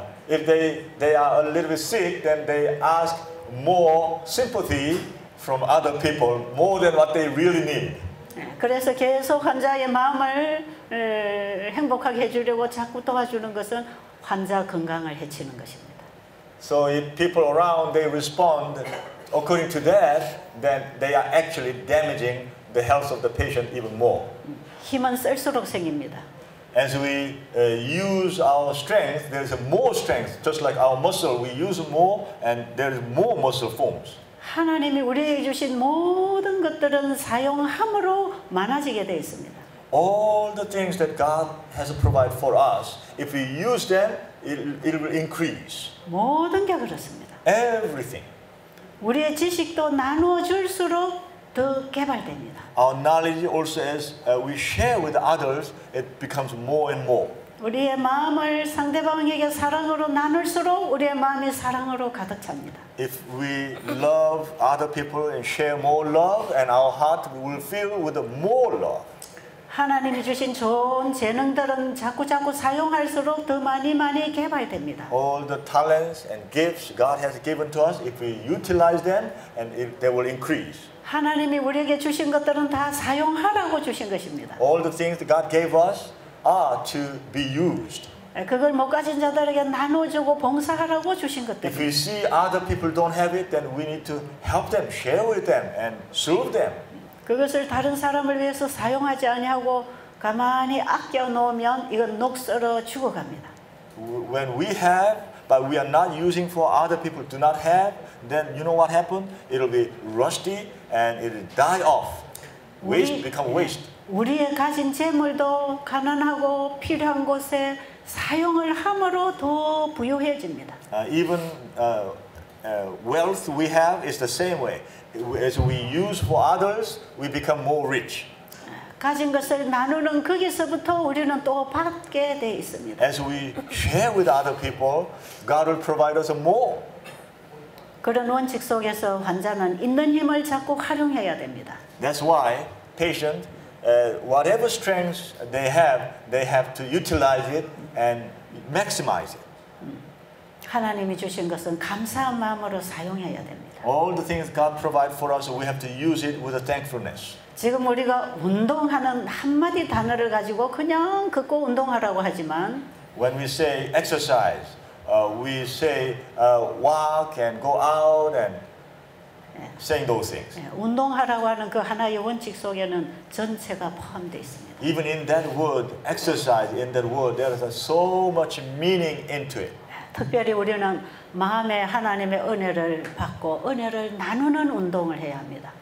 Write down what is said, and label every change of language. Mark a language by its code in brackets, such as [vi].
[en] If they are a little bit sick, then they ask more sympathy from other people more than what they really need. [ko] 그래서 계속 환자의 마음을 행복하게 해주려고 자꾸 도와주는 것은 환자 건강을 해치는 것입니다. [en] So if people around they respond. According to that, then they are actually damaging the health of the patient even more. [ko] 힘은 쓸수록 생깁니다. [en] As we use our strength, there is more strength. Just like our muscle, we use more, and there is more muscle forms. [ko] 하나님이 우리에게 주신 모든 것들은 사용함으로 많아지게 되어 있습니다. [en] All the things that God has provided for us, if we use them, it will increase. [ko] 모든 게 그렇습니다. [en] Everything. [ko] 우리의 지식도 나누어 줄수록 더 개발됩니다. [en] Our knowledge also as we share with others, it becomes more and more. [ko] 우리의 마음을 상대방에게 사랑으로 나눌수록 우리의 마음이 사랑으로 가득 찹니다. [en] If we love other people and share more love, and our heart will fill with more love. [ko] 하나님이 주신 좋은 재능들은 자꾸 사용할수록 더 많이 개발됩니다. [en] All the talents and gifts God has given to us, if we utilize them, and they will increase. [ko] 하나님이 우리에게 주신 것들은 다 사용하라고 주신 것입니다. [en] All the things that God gave us are to be used. [ko] 그걸 못 가진 자들에게 나눠주고 봉사하라고 주신 것들. [en] If we see other people don't have it, then we need to help them, share with them, and serve them. [ko] 그것을 다른 사람을 위해서 사용하지 아니하고 가만히 아껴 놓으면 이건 녹슬어 죽어갑니다. [en] When we have, but we are not using for other people do not have, then you know what happened? It'll be rusty and it'll die off. Waste become waste. [ko] 우리의 가진 재물도 가난하고 필요한 곳에 사용을 함으로 더 부유해집니다. [en] Even wealth we have is the same way. As we use for others, we become more rich. [ko] 가진 것을 나누는 거기서부터 우리는 또 받게 돼 있습니다. [en] As we share with other people, God will provide us more. [ko] 그런 원칙 속에서 환자는 있는 힘을 자꾸 활용해야 됩니다. [en] That's why patients, whatever strengths they have to utilize it and maximize it. [ko] 하나님이 주신 것은 감사한 마음으로 사용해야 됩니다. [en] All the things God provides for us, we have to use it with a thankfulness. [ko] 지금 우리가 운동하는 한마디 단어를 가지고 그냥 긋고 운동하라고 하지만 [en] When we say exercise, we say walk and go out and saying those things. [ko] 운동하라고 하는 그 하나의 원칙 속에는 전체가 포함되어 있습니다. [en] Even in that word, exercise, in that word, there is so much meaning into it. [ko] 특별히 우리는 마음에 하나님의 은혜를 받고 은혜를 나누는 운동을 해야 합니다.